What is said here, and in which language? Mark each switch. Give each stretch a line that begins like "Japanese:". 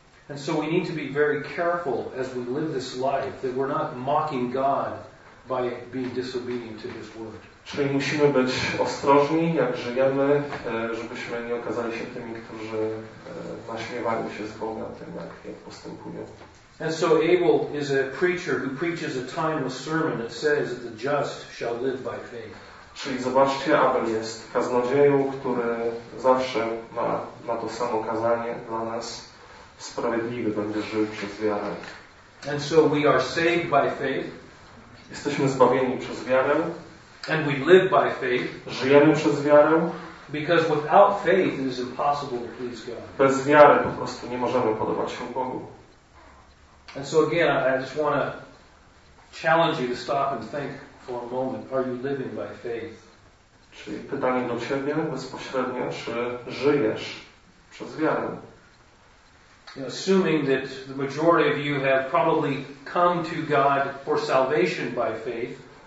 English: And so we need to be very careful as we live this life that we're not mocking God by being disobedient to His word.
Polish: Czyli musimy być ostrożni, jak żyjemy, żebyśmy nie okazali się tymi, którzy naśmiewają się z Boga tym, jak postępują.
English: And so Abel is a preacher who preaches a timeless sermon that says that the just shall live by faith.
Polish: Czyli zobaczcie, Abel jest kaznodzieją, który zawsze ma to samo kazanie dla nas. Sprawiedliwy będzie żył przez wiarę.
English: And so we are saved by faith.
Polish: Jesteśmy zbawieni przez wiarę.
English: And we live by faith.
Polish: Żyjemy przez wiarę.
English: Because without faith it is impossible to please God.
Polish: Bez wiary po prostu nie możemy podobać się Bogu.
English: And so again, I just want to challenge you to stop and think for a moment. Are you living by faith?
Polish: Czyli pytanie do ciebie bezpośrednio, czy żyjesz przez wiarę?
English: Assuming that the majority of you have probably come to God for salvation by faith.